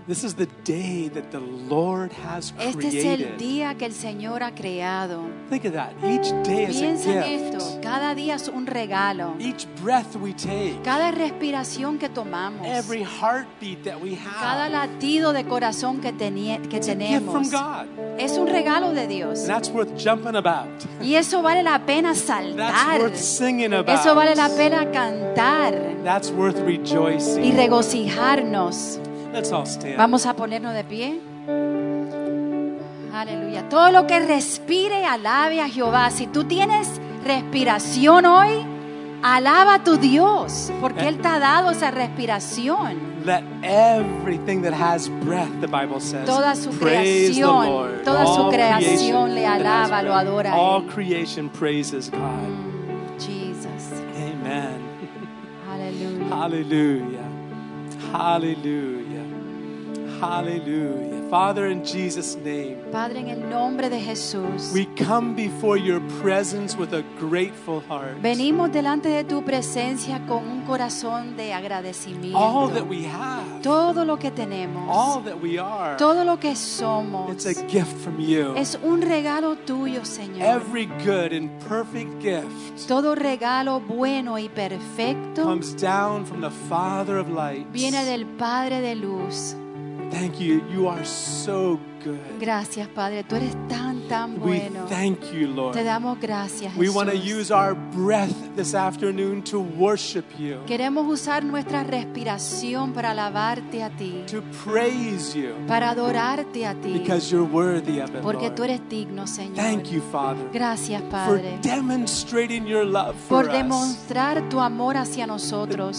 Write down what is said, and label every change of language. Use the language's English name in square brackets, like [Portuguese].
[English] This is the day that the Lord has [Spanish] este [English] created. [Spanish] Es el día que el Señor ha creado. [English] Think of that. Each day [Spanish] Piensa [English] is a [Spanish] en [English] gift. [Spanish] Esto. Cada día es un regalo. [English] Each breath we take. [Spanish] Cada respiración que tomamos. [English] Every heartbeat that we have. [Spanish] Cada latido de corazón que, que [English] It's [Spanish] tenemos. [English] A gift from God. [Spanish] Es un regalo de Dios. [English] And that's worth jumping about. [Spanish] Eso vale la pena saltar. [English] That's worth singing about. [Spanish] Eso vale la pena cantar. [English] That's worth rejoicing. [Spanish] Y regocijarnos. [English] Let's all stand. [Spanish] Vamos a ponernos de pie. Aleluya. Todo lo que respire, alabe a Jehová. Si tú tienes respiración hoy, alaba a tu Dios, porque Él te ha dado esa respiración. [English] Let everything that has breath, the Bible says. [Spanish] Toda su creación, toda su creación le alaba, lo adora. [English] All creation praises God. Jesus. Amen. Hallelujah. Hallelujah. Hallelujah. Hallelujah. Father, in Jesus' name, [Spanish] Padre, en el nombre de Jesús, [English] we come before your presence with a grateful heart. [Spanish] Venimos delante de tu presencia con un corazón de agradecimiento. [English] All that we have, [Spanish] todo lo que tenemos, [English] all that we are, [Spanish] todo lo que somos, [English] it's a gift from you. [Spanish] Es un regalo tuyo, Señor. [English] Every good and perfect gift, [Spanish] todo regalo bueno y perfecto, [English] comes down from the Father of lights. [Spanish] Viene del Padre de luz. [English] Thank you. You are so good. [Spanish] Gracias, Padre. Tú eres tan, tan bueno. [English] We thank you, Lord. [Spanish] Te damos gracias, Jesús. [English] We want to use our breath this afternoon to worship you. [Spanish] Queremos usar nuestra respiración para alabarte a ti. [English] To praise you. [Spanish] Para adorarte a ti. [English] Because you're worthy of it, [Spanish] Porque [English] Lord. [Spanish] Tú eres digno, Señor. [English] Thank you, Father. [Spanish] Gracias, Padre. [English] For demonstrating your love for [Spanish] Por demostrar [English] us. [Spanish] Tu amor hacia nosotros.